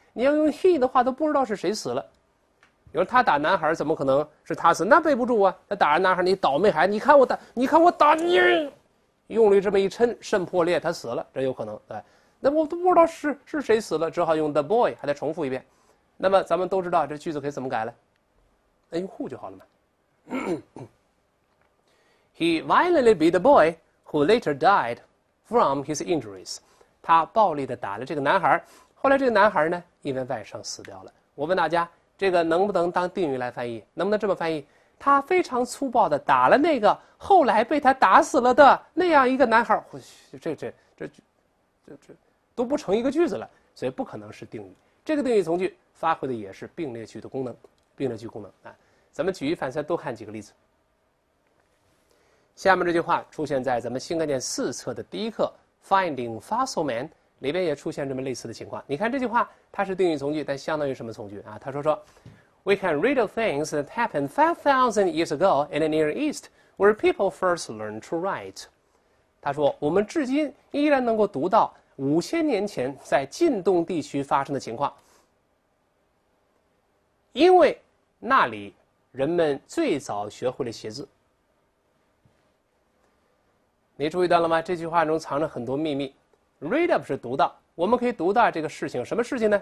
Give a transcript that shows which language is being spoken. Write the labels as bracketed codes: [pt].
[zh] 你要用 he 的话，都不知道是谁死了。你说他打男孩怎么可能是他死？那背不住啊！他打着男孩，你倒霉孩子！你看我打，你看我打你，用力这么一抻，肾破裂，他死了，这有可能，对。那我都不知道是谁死了，只好用 [en] the boy， [zh] 还得重复一遍。那么咱们都知道这句子可以怎么改了？那用 who 就好了嘛。 [en] He violently beat the boy who later died from his injuries。 [zh] 他暴力的打了这个男孩，后来这个男孩呢，因为外伤死掉了。我问大家。这个能不能当定语来翻译？能不能这么翻译？他非常粗暴地打了那个后来被他打死了的那样一个男孩。这都不成一个句子了，所以不可能是定语。这个定语从句发挥的也是并列句的功能，并列句功能啊。咱们举一反三，多看几个例子。下面这句话出现在咱们新概念四册的第一课 Finding Fossil Man。里边也出现这么类似的情况。你看这句话，它是定语从句，但相当于什么从句啊？他说 ， [en] We can read of things that happened 5,000 years ago in the Near East, where people first learned to write。 [zh] 他说，我们至今依然能够读到5000年前在近东地区发生的情况，因为那里人们最早学会了写字。你注意到了吗？这句话中藏着很多秘密。 [en] Read up [zh] 是读到，我们可以读到这个事情，什么事情呢？